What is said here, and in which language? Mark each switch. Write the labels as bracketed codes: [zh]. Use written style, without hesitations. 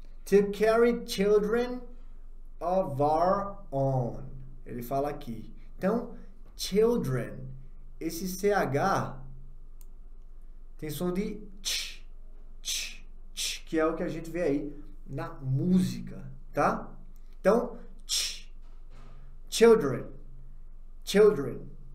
[en] To carry children of our own. [pt] Ele fala aqui. Então, children, esse CH tem som de ch, ch, ch, que é o que a gente vê aí na música, tá? Então, ch, children, children.